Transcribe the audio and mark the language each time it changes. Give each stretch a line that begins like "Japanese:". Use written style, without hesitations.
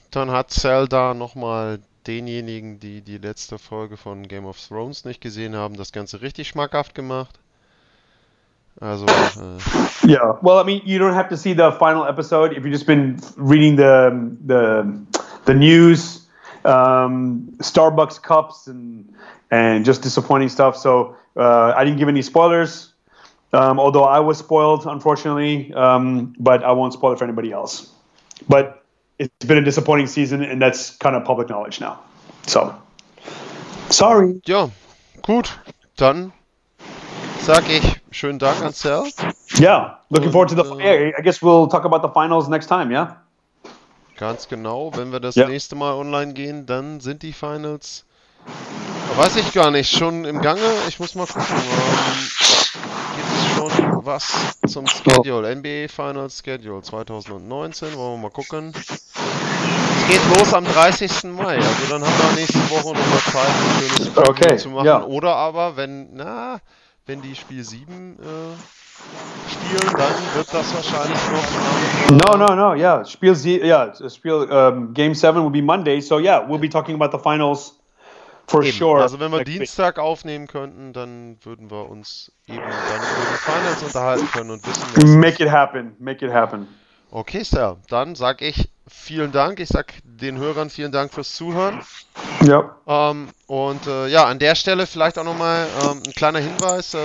German: Dann hat Sal da nochmal denjenigen, die die letzte Folge von Game of Thrones nicht gesehen haben, das Ganze richtig schmackhaft gemacht. Also,
English: Yeah, well, I mean, you don't have to see the final episode. If you've just been reading the news, Starbucks cups and just disappointing stuff. So I didn't give any spoilers, although I was spoiled, unfortunately. But I won't spoil it for anybody else. But it's been a disappointing season, and that's kind of public knowledge now. So, sorry.
German: Ja, gut. Dann sag ich schönen Dank an Sal.
English: Yeah, looking forward to the finals. I guess we'll talk about the finals next time, yeah?
German: Ganz genau. Wenn wir das nächste Mal online gehen, dann sind die Finals, weiß ich gar nicht, schon im Gange. Ich muss mal gucken. Gibt es schon was zum Schedule? NBA Finals Schedule 2019. Wollen wir mal gucken. Es geht los am 30. Mai. Also dann haben wir nächste Woche noch mal Zeit, ein schönes Spiel zu machen. Yeah. Oder aber, wenn die Spiel 7 spielen, dann wird das wahrscheinlich noch...
English: No. Yeah. Game 7 will be Monday. So yeah, we'll be talking about the finals. For
German: eben.
English: Sure.
German: Also wenn wir Dienstag aufnehmen könnten, dann würden wir uns eben dann über die Finals unterhalten können und wissen,
English: was Make it happen. Make it happen.
German: Okay, Sir. Dann sag ich vielen Dank. Ich sag den Hörern vielen Dank fürs Zuhören. Ja. Und an der Stelle vielleicht auch nochmal ein kleiner Hinweis.